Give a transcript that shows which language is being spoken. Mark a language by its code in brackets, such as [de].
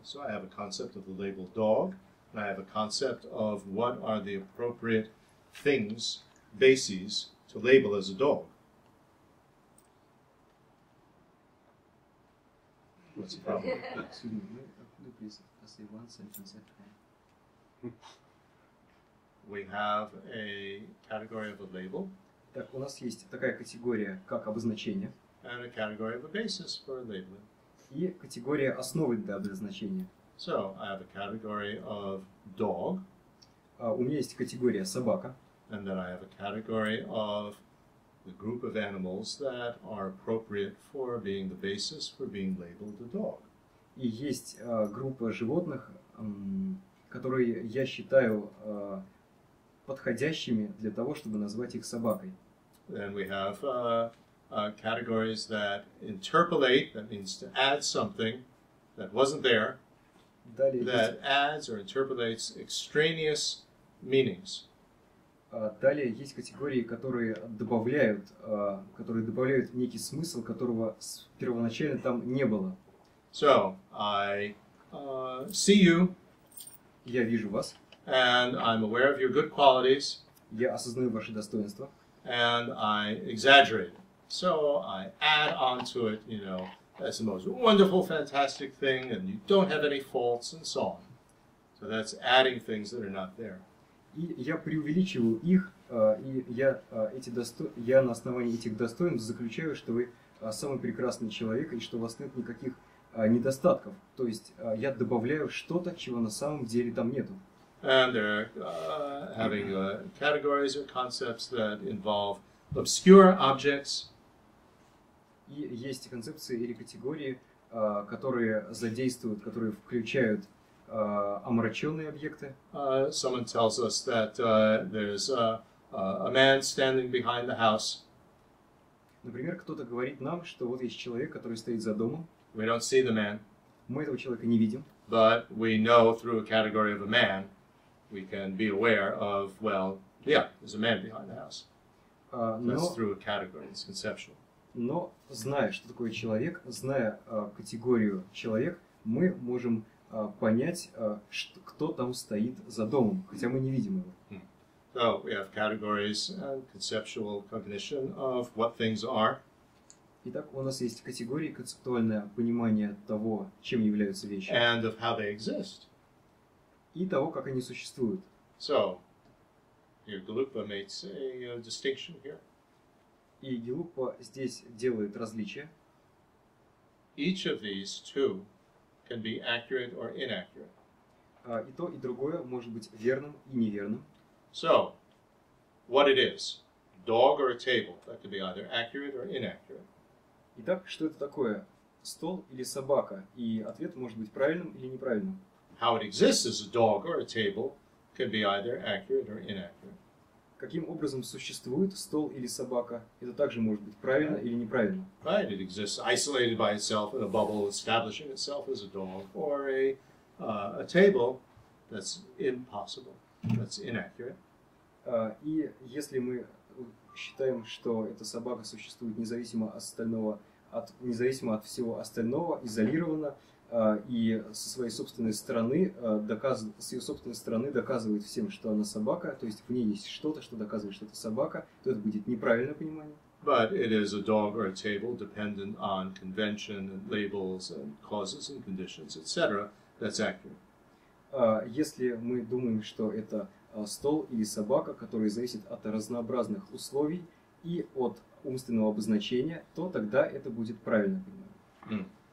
[en] So I have a concept of the label dog, and I have a concept of what are the appropriate things, bases, to label as a dog. What's the problem? Excuse me, could you please say one sentence at a time? We have a category of a label. [ru] Так, у нас есть такая категория, как обозначение. [en] And a category of a basis for labeling. [ru] И категория основы для обозначения. [en] So, I have a category of dog. [ru] У меня есть категория собака. [en] And then I have a category of the group of animals that are appropriate for being the basis for being labeled a dog. [ru] И есть группа животных, которые я считаю подходящими для того, чтобы назвать их собакой. [en] Then we have categories that interpolate, that means to add something that wasn't there, [ru] далее [en] that [ru] есть... [en] adds or interpolates extraneous meanings. [ru] Далее есть категории, которые добавляют, некий смысл, которого первоначально там не было. [en] So, I see you. [ru] Я вижу вас. [en] And I'm aware of your good qualities. [ru] Я осознаю ваши достоинства. [en] And I exaggerate. So, I add on to it, you know, that's the most wonderful, fantastic thing, and you don't have any faults, and so on. So, that's adding things that are not there. [ru] И я преувеличиваю их, и я, эти я на основании этих достоинств заключаю, что вы самый прекрасный человек, и что у вас нет никаких недостатков. То есть я добавляю что-то, чего на самом деле там нету. [en] And they're having categories or concepts that involve obscure objects. [ru] И есть концепции или категории, которые задействуют, которые включают омраченные объекты. [en] Someone tells us that there's a man standing behind the house. [ru] Например, кто-то говорит нам, что вот есть человек, который стоит за домом. [en] We don't see the man. [ru] Мы этого человека не видим. [en] But we know through a category of a man, we can be aware of, well, yeah, there's a man behind the house. That's through a category, it's conceptual. [ru] Но, зная, что такое человек, зная категорию человек, мы можем понять, что, кто там стоит за домом, хотя мы не видим его. [en] So we have categories and conceptual cognition of what things are. [ru] Итак, у нас есть категории, концептуальное понимание того, чем являются вещи. [en] And of how they exist. [ru] И того, как они существуют. [en] So, your Galupa makes a distinction here. [ru] И Galupa здесь делает различие. [en] Each of these two can be accurate or inaccurate. [ru] И то, и другое может быть верным и неверным. [en] So, what it is, dog or a table, that could be either accurate or inaccurate. [ru] Итак, что это такое, стол или собака? И ответ может быть правильным или неправильным. [en] How it exists as a dog or a table can be either accurate or inaccurate. [ru] Каким образом существует стол или собака? Это также может быть правильно или неправильно. [en] Right, it exists isolated by itself in a bubble, establishing itself as a dog, or a table. That's impossible. That's inaccurate. [ru] И если мы считаем, что эта собака существует независимо от остального, независимо от всего остального, изолированно и со своей собственной стороны с ее собственной стороны доказывает всем, что она собака, то есть в ней есть что-то, что доказывает, что это собака, то это будет неправильное понимание. [en] But it is a dog or a table dependent on convention and labels and causes and conditions, etc. That's accurate. [ru] Если мы думаем, что это стол или собака, который зависит от разнообразных условий и от умственного обозначения, то тогда это будет правильно понимание.